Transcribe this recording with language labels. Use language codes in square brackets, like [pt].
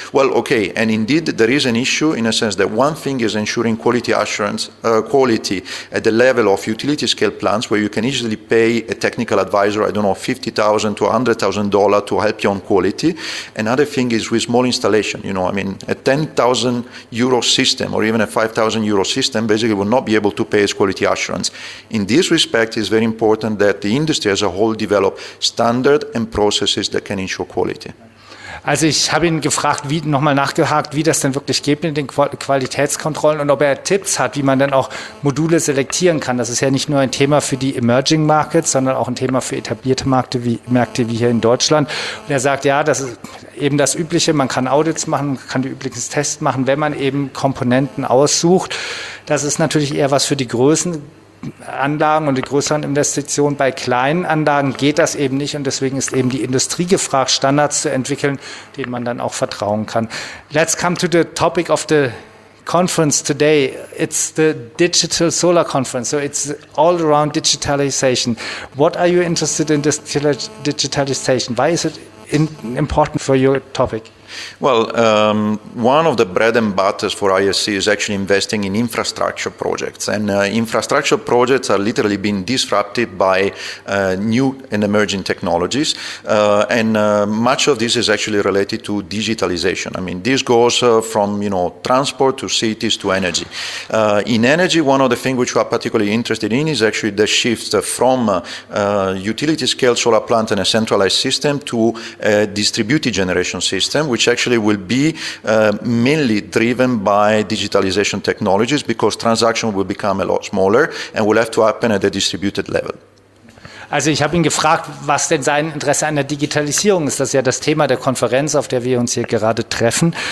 [en] Well, okay, and indeed there is an issue in a sense that one thing is ensuring quality assurance, quality at the level of utility scale plants where you can easily pay a technical advisor, I don't know, $50,000 to $100,000 to help you on quality. Another thing is with small installation, you know, I mean, a 10,000 euro system or even a 5,000 euro system basically will not be able to pay its quality assurance. In this respect, it's very important that the industry as a whole develop standard and processes that can ensure quality. [de] Also ich habe ihn gefragt, wie nochmal nachgehakt, wie das denn wirklich geht mit den Qualitätskontrollen und ob er Tipps hat, wie man dann auch Module selektieren kann. Das ist ja nicht nur ein Thema für die Emerging Markets, sondern auch ein Thema für etablierte Märkte wie hier in Deutschland. Und er sagt, ja, das ist eben das Übliche, man kann Audits machen, man kann die üblichen Tests machen, wenn man eben Komponenten aussucht. Das ist natürlich eher was für die Größen. Anlagen und die größeren Investitionen. Bei kleinen Anlagen geht das eben nicht und deswegen ist eben die Industrie gefragt, Standards zu entwickeln, denen man dann auch vertrauen kann. [en] Let's come to the topic of the conference today. It's the Digital Solar Conference, so it's all around digitalization. What are you interested in this digitalization? Why is it important for your topic? Well, one of the bread and butters for ISC is actually investing in infrastructure projects. And infrastructure projects are literally being disrupted by new and emerging technologies. Much of this is actually related to digitalization. I mean, this goes from, you know, transport to cities to energy. In energy, one of the things which we are particularly interested in is actually the shift from utility-scale solar plant and a centralized system to a distributed generation system, which actually will be mainly driven by digitalization technologies because transactions will become a lot smaller and will have to happen at a distributed level. [de] Also ich habe ihn gefragt, was denn sein Interesse an der Digitalisierung ist. Das ist ja das Thema der Konferenz, auf der wir uns hier gerade treffen.